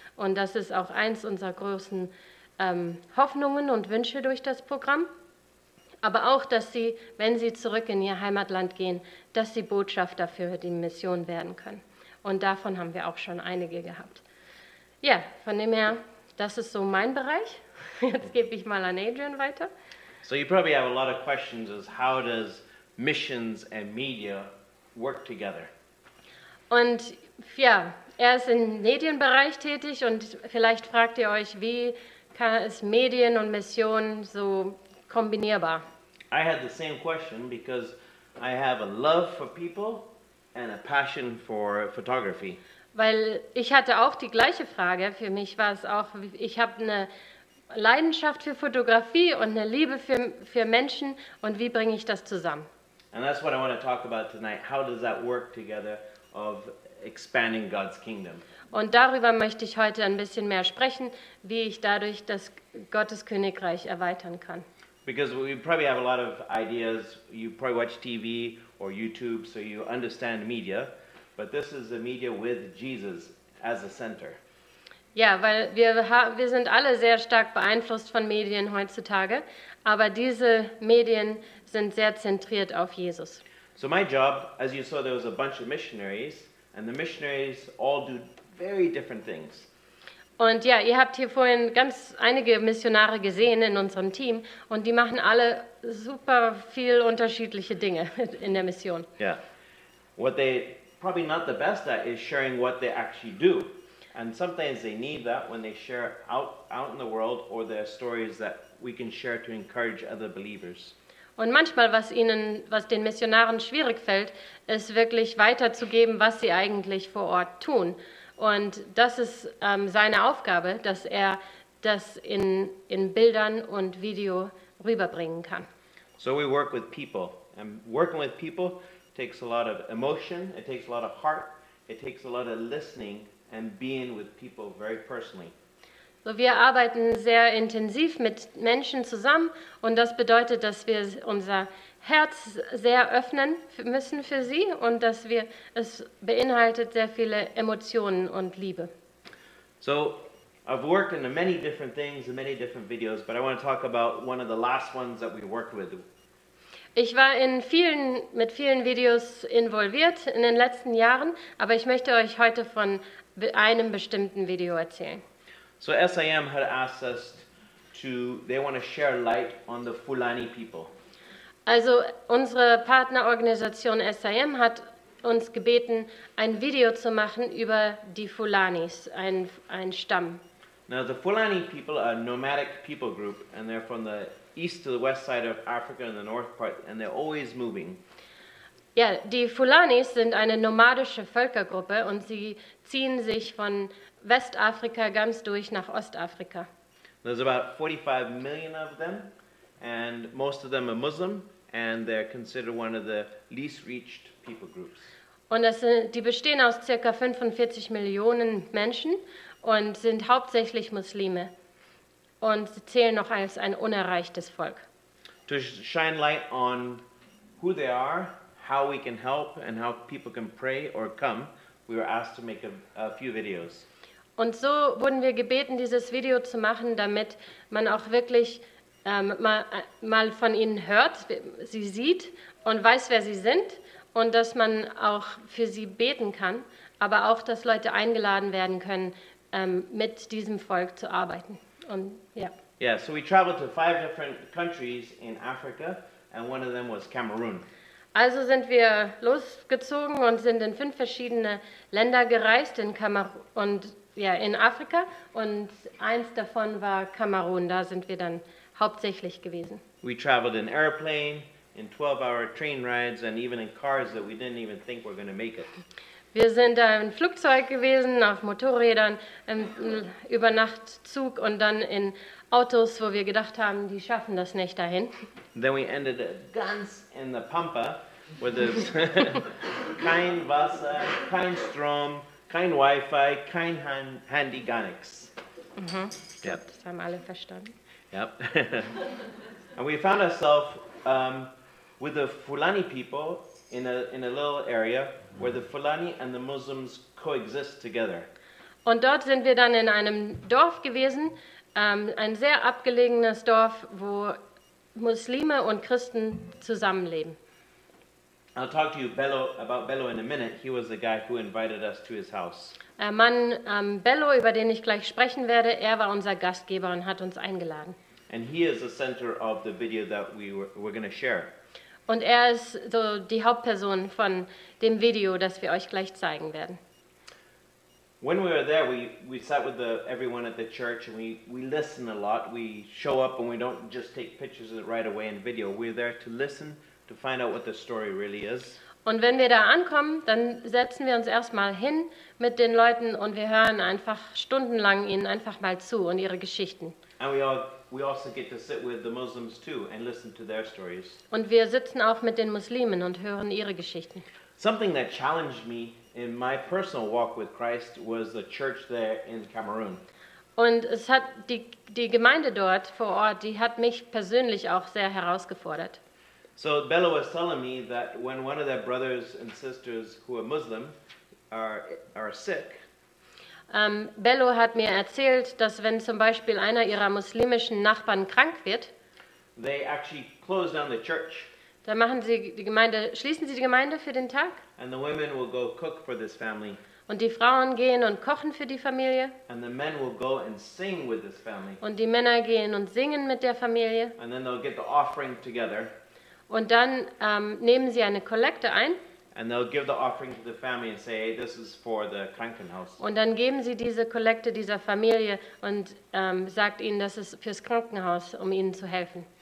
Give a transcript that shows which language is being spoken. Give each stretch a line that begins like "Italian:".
German: Und das ist auch eins unserer großen Hoffnungen und Wünsche durch das Programm. Aber auch, dass sie, wenn sie zurück in ihr Heimatland gehen, dass sie Botschafter für die Mission werden können. Und davon haben wir auch schon einige gehabt. Ja, von dem her, das ist so mein Bereich. Jetzt gebe ich mal an Adrian weiter.
English: So you probably have a lot of questions as how does missions and media work together?
German: Und ja, er ist im Medienbereich tätig und vielleicht fragt ihr euch, wie kann es Medien und Mission so kombinierbar?
English: I had the same question because I have a love for people and a passion for photography.
German: Weil ich hatte auch die gleiche Frage. Für mich war es auch, ich habe eine Leidenschaft für Fotografie und eine Liebe für Menschen und wie bringe ich das zusammen?
English: And that's what I want to talk about tonight. How does that work together of expanding God's kingdom?
German: Und darüber möchte ich heute ein bisschen mehr sprechen, wie ich dadurch das Gottes Königreich erweitern kann.
English: Because we probably have a lot of ideas. You probably watch TV or YouTube, so you understand media. But this is a media with Jesus as a center.
German: Ja, weil wir sind alle sehr stark beeinflusst von Medien heutzutage. Aber diese Medien sind sehr zentriert auf Jesus.
English: So my job, as you saw, there was a bunch of missionaries. And the missionaries all do very different things.
German: Und ja, ihr habt hier vorhin ganz einige Missionare gesehen in unserem Team und die machen alle super viel unterschiedliche Dinge in der Mission.
English: Yeah. What they probably not the best at is sharing what they actually do. And sometimes they need that when they share out in the world or their stories that we can share to encourage other believers.
German: Und manchmal, was den Missionaren schwierig fällt, ist wirklich weiterzugeben, was sie eigentlich vor Ort tun. Und das ist seine Aufgabe, dass er das in Bildern und Video rüberbringen kann.
English: So we work with people. And working with people takes a lot of emotion, it takes a lot of heart, it takes a lot of listening and being with people very personally.
German: So wir arbeiten sehr intensiv mit Menschen zusammen und das bedeutet, dass wir unser Herz sehr öffnen müssen für sie und dass wir es beinhaltet sehr viele Emotionen und Liebe.
English: So I've worked in many different things and many different videos, but I want to talk about one of the last ones that we worked with.
German: Ich war mit vielen Videos involviert in den letzten Jahren, aber ich möchte euch heute von einem bestimmten Video erzählen.
English: So SIM had asked us to, they want to share light on the Fulani people.
German: Also unsere Partnerorganisation SIM hat uns gebeten, ein Video zu machen über die Fulanis, ein Stamm.
English: Now the Fulani people are a nomadic people group and they're from the east to the west side of Africa and the north part and they're always moving.
German: Ja, die Fulanis sind eine nomadische Völkergruppe und sie ziehen sich von Westafrika ganz durch nach Ostafrika.
English: There's about 45 million of them and most of them are Muslim and they're considered one of the least reached people groups.
German: Und das sind, die bestehen aus ca. 45 Millionen Menschen und sind hauptsächlich Muslime und sie zählen noch als ein unerreichtes Volk.
English: To shine light on who they are, how we can help and how people can pray or come, we were asked to make a few videos.
German: Und so wurden wir gebeten, dieses Video zu machen, damit man auch wirklich mal von ihnen hört, sie sieht und weiß, wer sie sind und dass man auch für sie beten kann, aber auch, dass Leute eingeladen werden können, mit diesem Volk zu arbeiten. Und, yeah.
English: Yeah, so we traveled to 5 different countries in Africa and one of them was Cameroon.
German: Also sind wir losgezogen und sind in 5 verschiedene Länder gereist in Kamerun und ja, in Afrika und eins davon war Kamerun, da sind wir dann hauptsächlich gewesen.
English: We traveled in airplane, in 12-hour train rides and even in cars that we didn't even think were going to make it.
German: Wir sind im Flugzeug gewesen, auf Motorrädern, im Übernachtzug und dann in Autos, wo wir gedacht haben, die schaffen das nicht dahin.
English: Then we ended up
German: ganz
English: in the
German: Pampa
English: with this
German: kein Wasser, kein Strom, kein Wi-Fi, kein Handy, gar nichts. Mhm. Yep. Das haben alle verstanden.
English: Yep. And we found ourselves with the Fulani people in a little area where the Fulani and the Muslims coexist together.
German: Und dort sind wir dann in einem Dorf gewesen, ein sehr abgelegenes Dorf, wo Muslime und Christen zusammenleben.
English: I'll talk to you about Bello in a minute. He was the guy who invited us to his house.
German: Bello, über den ich gleich sprechen werde, er war unser Gastgeber und hat uns eingeladen.
English: And he is the center of the video that we're going to share.
German: Und er ist so die Hauptperson von dem Video, das wir euch gleich zeigen werden.
English: When we were there, we sat with everyone at the church and we listen a lot. We show up and we don't just take pictures of it right away in video. We're there to listen, to find out what the story really is.
German: Und wenn wir da ankommen, dann setzen wir uns erstmal hin mit den Leuten und wir hören einfach stundenlang ihnen einfach mal zu und ihre Geschichten.
English: And we also get to sit with the Muslims too and listen to their stories.
German: Und wir sitzen auch mit den Muslimen und hören ihre Geschichten.
English: Something that challenged me in my personal walk with Christ was the church there in Cameroon.
German: Und es hat die Gemeinde dort vor Ort, die hat mich persönlich auch sehr herausgefordert.
English: So Bella was telling me that when one of their brothers and sisters who are Muslim are sick.
German: Bello hat mir erzählt, dass wenn zum Beispiel einer ihrer muslimischen Nachbarn krank wird,
English: they actually close down the church.
German: Dann machen sie die Gemeinde, schließen sie die Gemeinde für den Tag.
English: And the women will go cook for this family.
German: Und die Frauen gehen und kochen für die Familie.
English: And the men will go and sing with this family.
German: Und die Männer gehen und singen mit der Familie.
English: And then they'll get the offering together.
German: Und dann nehmen sie eine Kollekte ein.
English: And they'll give the offering to the family and say, hey, this is for the Krankenhaus.
German: Und dann geben sie diese Kollekte dieser Familie und sagt ihnen, das ist fürs Krankenhaus, um ihnen zu helfen.